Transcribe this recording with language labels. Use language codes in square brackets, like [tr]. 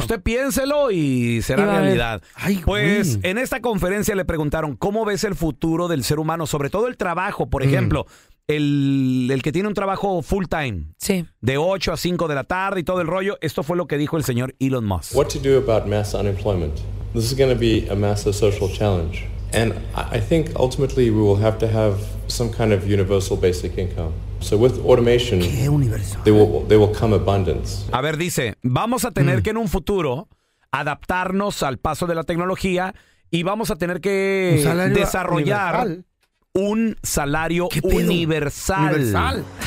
[es] Usted piénselo y será realidad. Ay, pues en esta conferencia le preguntaron cómo ves el futuro del ser humano, sobre todo el trabajo, por ejemplo, el que tiene un trabajo full time. Sí. De 8 a 5 de la tarde y todo el rollo. Esto fue lo que dijo el señor Elon Musk. [en] What to do about mass unemployment? This is going to be a massive social challenge. And I think ultimately we will have to have some kind of universal basic income. So with automation, they will come abundance. [es] A ver, dice, vamos a tener que en un futuro adaptarnos al paso de la tecnología y vamos a tener que desarrollar un salario universal.